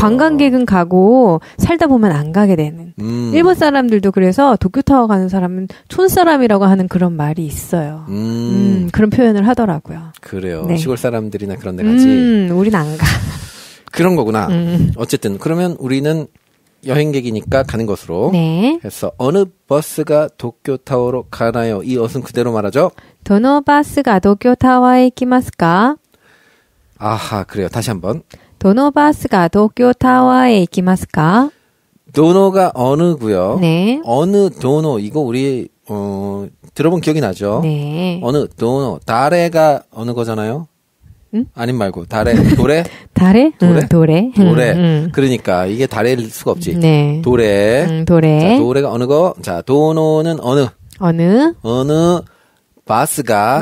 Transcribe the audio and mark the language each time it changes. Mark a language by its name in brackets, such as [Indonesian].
[Korean] 관광객은가고살다보면안가게되는일본사람들도그래서도쿄타워가는사람은촌사람이라고하는그런말이있어요그런표현을하더라고요 그래요、네、시골사람들이나그런데가지 우린안가 그런거구나어쨌든그러면우리는여행객이니까가는것으로 네 그래서어느버스가도쿄타워로가나요이어순그대로말하죠 [Japanese] どのバスが東京タワーへ行きますか? [Korean] 아하、그래요。 다시한번。 [Japanese] どのバスが東京タワーへ行きますか? どのが [Korean] 어느구요。 네。 어느、 [Japanese] どの、 [Korean] 이거우리、들어본기억이나죠? 네。 어느、 [Japanese] どの、誰が [Korean] 어느거잖아요? 응? 아님말고、 [Japanese] 誰、どれ? 誰?どれ? どれ? どれ? どれ? [Korean] 그러니까、이게 [Japanese] 誰 [Korean] 일수가없지。 네。 [Japanese] どれ? どれ? どれが [Korean] 어느거?자、 [Japanese] どの [Korean] 는어느? 어느? 어느? [Japanese] バスが、